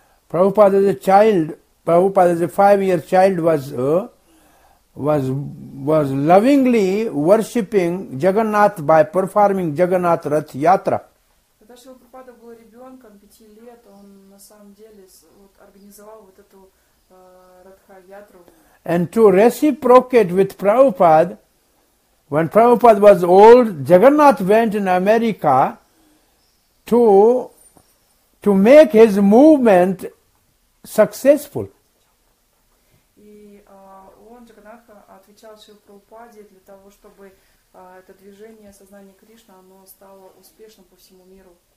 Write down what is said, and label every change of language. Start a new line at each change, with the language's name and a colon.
English: Prabhupada as a child, Prabhupada as a 5-year child was lovingly worshipping Jagannath by performing Jagannath Rath Yatra.
Russian: Когда Шрила Прабхупада был ребенком 5 лет, он на самом деле вот, организовал вот эту Ратха Ятру.
English: And to reciprocate with Prabhupada, when Prabhupada was old, Jagannath went in America to make his movement successful.
Russian: И он, Джаганнатха, отвечал Шрила Прабхупаде для того, чтобы это движение сознания Кришны, оно стало успешным по всему миру.